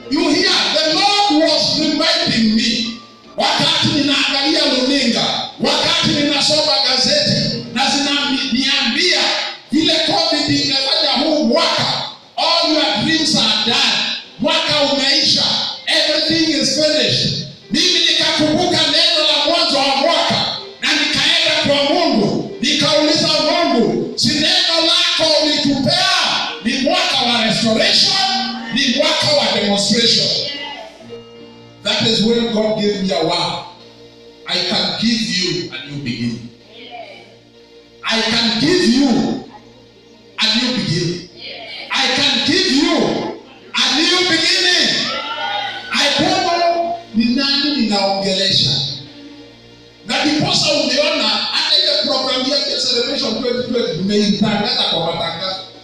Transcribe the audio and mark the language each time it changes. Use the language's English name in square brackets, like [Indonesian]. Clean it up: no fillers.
[English] You hear, the Lord was reminding me. [Swahili] Wakati ninaangalia luninga, wakati ninasoma gazeti, na zinaniambia ile COVID imefanya huu mwaka, [English] all your dreams are done. [Swahili] Mwaka umeisha. [English] Everything is finished. [Swahili] Mimi nikakumbuka neno la mwanzo wa mwaka, na nikaenda kwa Mungu, nikauliza Mungu, si neno lako ulitupea ni mwaka wa restoration, ni mwaka wa demonstration. [English] That is when God gave me a word. I can give you a new beginning. I can give you a new beginning. I can give you a new beginning. I don't know [Swahili] ni nani ninaongelesha. Na kiposa umeona, hata ile program ya celebration 2020 nimeitangaza kwa matangazo.